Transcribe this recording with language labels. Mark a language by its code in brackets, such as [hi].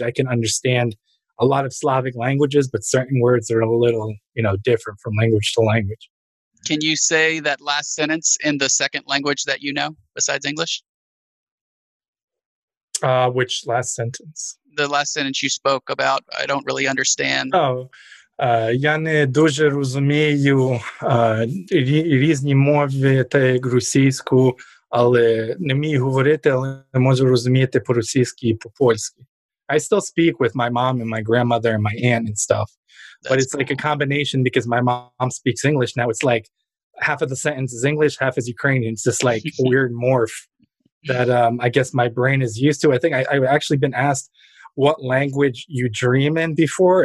[en] I can understand a lot of Slavic languages, but certain words are a little, you know, different from language to language. Can you say that last sentence in the second language that you know besides English? Which last sentence? The last sentence you spoke about, I don't really understand. [uk] Oh, я не дуже розумію різні мови та російську, але не вмію говорити, але можу розуміти по-російськи і по-польськи. [en] I still speak with my mom and my grandmother and my aunt and stuff. But it's like a combination because my mom speaks English. Now it's like half of the sentence is English, half is Ukrainian. It's just like a weird morph that I guess my brain is used to. I think I've actually been asked what language you dream in before.